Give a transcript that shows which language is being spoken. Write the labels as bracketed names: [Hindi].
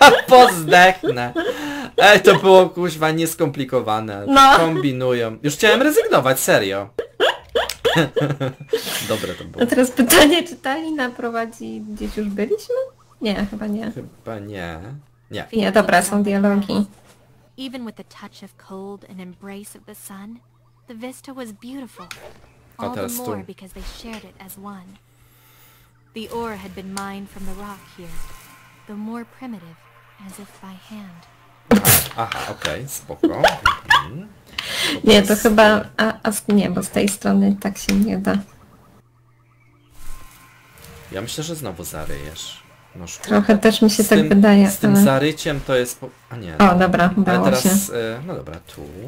[Polish] Pozdechnę. Ej, to było kuźwa nieskomplikowane. No. Kombinują. Już chciałem rezygnować, serio. Dobre to było. A teraz pytanie, czy ta lina prowadzi gdzieś już byliśmy? Nie, chyba nie. Chyba nie. Nie. Nie, dobra, są dialogi. [English] Even with the touch of cold and embrace of the sun, the vista was beautiful. All the more because they shared it as one. The ore had been mined from the rock here, the more primitive, as if by hand. [Polish] Aha, okej, okay, spoko. Nie, to chyba... A nie, bo z tej strony tak się nie da. Ja myślę, że znowu zaryjesz. No trochę też mi się tym, tak wydaje. Z tym ale... zaryciem to jest... Po... A nie. O, no. Dobra, udało teraz, się. No dobra, tu.